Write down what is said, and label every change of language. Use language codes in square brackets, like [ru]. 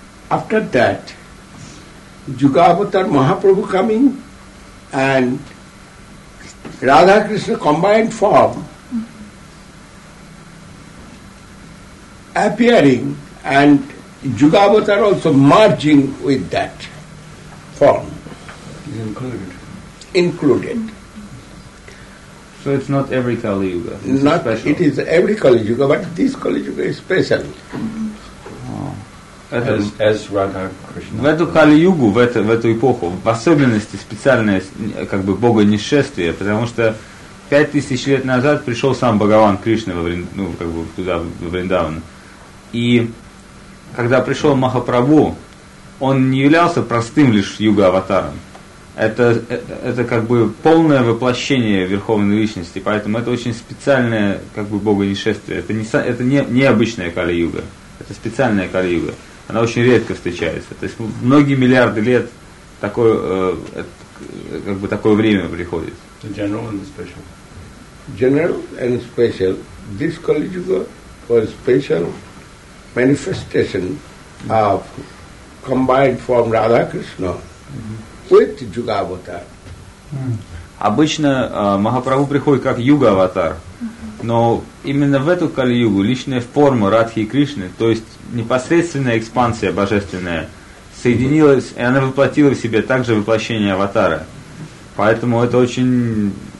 [en] After that, Yugavatar Mahaprabhu coming and Radha Krishna combined form appearing and Yugavatar also merging with that form. Is included. Included. So it's not every Kali Yuga. Not, it is every Kali Yuga, but this Kali Yuga is special. As Radha Krishna. [ru] В эту Кали-Югу, в эту эпоху, в особенности специальное как бы богонесшествие, потому что 5000 лет назад пришел сам Бхагаван Кришна во Врин, ну, как бы туда, во Вриндаван. И когда пришел Махапрабху, он не являлся простым лишь юга-аватаром. Это как бы полное воплощение Верховной Личности, поэтому это очень специальное как бы богонесшествие. Это не обычная Кали-Юга, это специальная Кали-Юга. Она очень редко встречается. То есть многие миллиарды лет такое, как бы такое время приходит. [en] The general and the special. General and special. This Kali Yuga was a special manifestation of combined form Radha Krishna with Yuga Avatar. [ru] Обычно Махапрабху приходит как Юга Аватар. Но именно в эту Кали-Югу личная форма Радхи и Кришны, то есть непосредственная экспансия божественная, соединилась, и она воплотила в себе также воплощение аватара. Поэтому это очень...